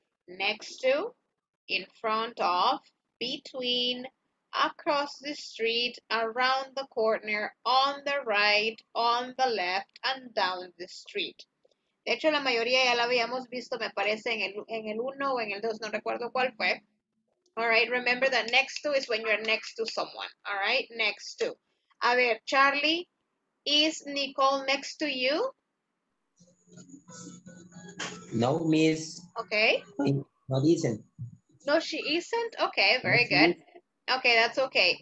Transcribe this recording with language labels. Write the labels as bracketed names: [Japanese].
[English] Next to, in front of, between, across the street, around the corner, on the right, on the left, and down the street. [Spanish] De hecho, la mayoría ya la habíamos visto, me parece, en el uno o en el dos, no recuerdo cuál fue. [English] All right, remember that next to is when you're next to someone, all right? Next to. A ver, Charlie, is Nicole next to you? No, miss. Okay. No, she isn't. No, she isn't? Okay, very good. Okay, that's okay.